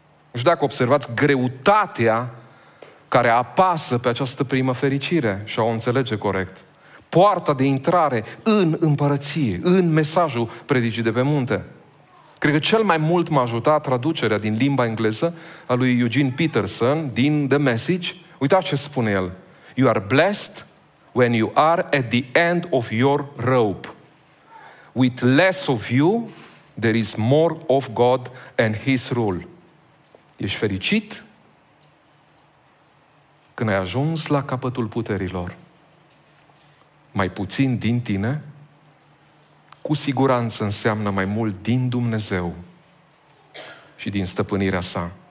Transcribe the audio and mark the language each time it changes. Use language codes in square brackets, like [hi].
[ro] Nu știu dacă observați greutatea care apasă pe această primă fericire și a o înțelege corect. Poarta de intrare în împărăție, în mesajul predicii de pe munte. Cred că cel mai mult m-a ajutat traducerea din limba engleză a lui Eugene Peterson din The Message. Uitați ce spune el. [en] You are blessed when you are at the end of your rope. With less of you, there is more of God and His rule. [ro] Ești fericit când ai ajuns la capătul puterilor. Mai puțin din tine, cu siguranță înseamnă mai mult din Dumnezeu și din stăpânirea sa.